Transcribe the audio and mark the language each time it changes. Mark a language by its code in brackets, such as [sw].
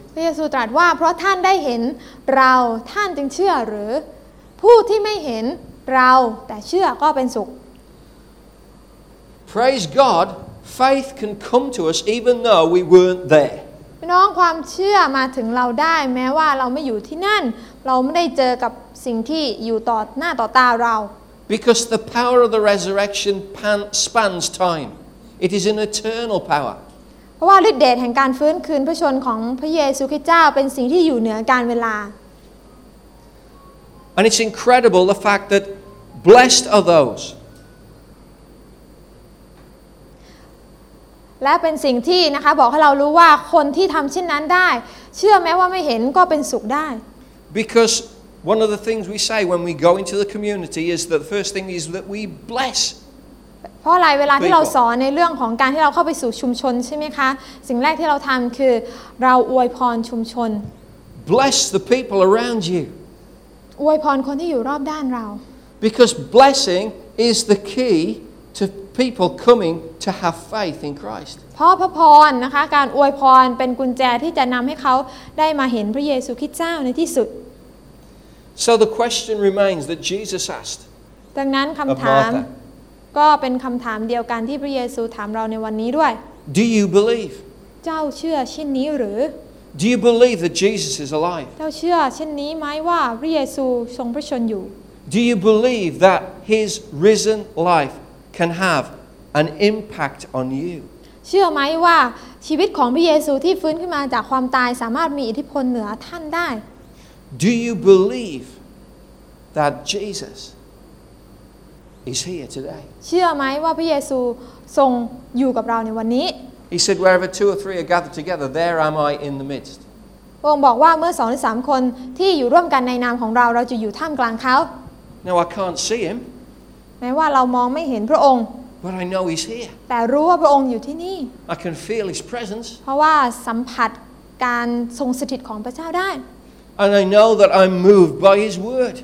[th] พระเยซูตรัสว่าเพราะท่านได้เห็นเราท่านจึงเชื่อหรือผู้ที่ไม่เห็นเราแต่เชื่อก็เป็นสุข [en] Praise God faith can come to us even though we weren't there [th] น้องความเชื่อมาถึงเราได้แม้ว่าเราไม่อยู่ที่นั่นเราไม่ได้เจอกับสิ่งที่อยู่ต่อหน้าต่อตาเรา [en] Because the power of the resurrection spans time. It is an eternal power. [th] เพราะว่าฤทธิ์เดชแห่งการฟื้นคืนพระชนของพระเยซูคริสต์เจ้าเป็นสิ่งที่อยู่เหนือกาลเวลา [en] And it's incredible the fact that blessed are those. [th] และเป็นสิ่งที่นะคะบอกให้เรารู้ว่าคนที่ทำเช่นนั้นได้เชื่อแม้ว่าไม่เห็นก็เป็นสุขได้ [en] Because one of the things we say when we go into the community is that the first thing is that we bless [th] เพราะอะไรเวลาที่เราสอนในเรื่องของการที่เราเข้าไปสู่ชุมชนใช่ไหมคะสิ่งแรกที่เราทำคือเราอวยพรชุมชน [en] Bless the people around you [th] อวยพรคนที่อยู่รอบด้านเรา [en] Because blessing is the keyTo people coming to have faith in Christ. [th] พระพรนะคะการอวยพรเป็นกุญแจที่จะนำให้เขาได้มาเห็นพระเยซูคริสต์เจ้าในที่สุด [en] So the question remains that Jesus asked. [th] ดังนั้นคำถามก็เป็นคำถามเดียวกันที่พระเยซูถามเราในวันนี้ด้วย [en] Do you believe? [th] เจ้าเชื่อเช่นนี้หรือ [en] Do you believe that Jesus is alive? [th] เจ้าเชื่อเช่นนี้ไหมว่าพระเยซูทรงพระชนอยู่ [en] Do you believe that His risen lifeCan have an impact on you. [th] เชื่อไหมว่าชีวิตของพระเยซูที่ฟื้นขึ้นมาจากความตายสามารถมีอิทธิพลเหนือท่านได้ [en] Do you believe that Jesus is here today? [th] เชื่อไหมว่าพระเยซูทรงอยู่กับเราในวันนี้ [en] He said, "Wherever two or three are gathered together, there am I in the midst." [th] พระองค์บอกว่าเมื่อสองหรือสามคนที่อยู่ร่วมกันในนามของเราเราจะอยู่ท่ามกลางเขา [en] Now I can't see him. [th] แม้ว่าเรามองไม่เห็นพระองค์ [en] But I know he's here. [th] แต่รู้ว่าพระองค์อยู่ที่นี่ [en] I can feel his presence. [th] เพราะว่าสัมผัสการทรงสถิตของพระเจ้าได้ [en] And I know that I'm moved by his word.